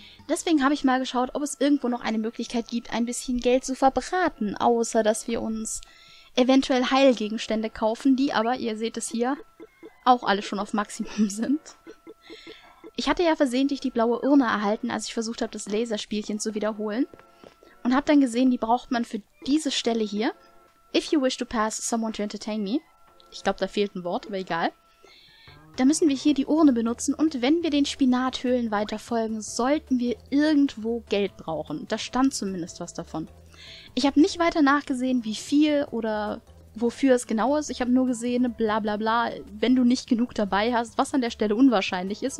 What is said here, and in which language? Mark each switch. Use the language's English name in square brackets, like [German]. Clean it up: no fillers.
[German] Deswegen habe ich mal geschaut, ob es irgendwo noch eine Möglichkeit gibt, ein bisschen Geld zu verbraten, außer dass wir uns eventuell Heilgegenstände kaufen, die aber, ihr seht es hier, auch alle schon auf Maximum sind. Ich hatte ja versehentlich die blaue Urne erhalten, als ich versucht habe, das Laserspielchen zu wiederholen. Und habe dann gesehen, die braucht man für diese Stelle hier. [English] If you wish to pass someone to entertain me. [German] Ich glaube, da fehlt ein Wort, aber egal. Da müssen wir hier die Urne benutzen und wenn wir den Spinathöhlen weiter folgen, sollten wir irgendwo Geld brauchen. Da stand zumindest was davon. Ich habe nicht weiter nachgesehen, wie viel oder wofür es genau ist. Ich habe nur gesehen, bla bla bla, wenn du nicht genug dabei hast, was an der Stelle unwahrscheinlich ist.